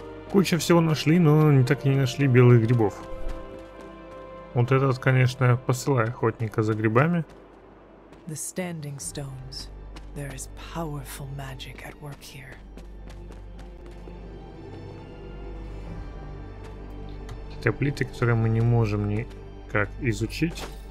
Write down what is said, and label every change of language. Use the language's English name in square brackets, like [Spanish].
[Russian] Куча всего нашли, но не так и не нашли белых грибов. Вот этот, конечно, посылай охотника за грибами. [English] The standing stones. There is powerful magic at work here. [Russian] Какие-то плиты, которые мы не можем никак изучить.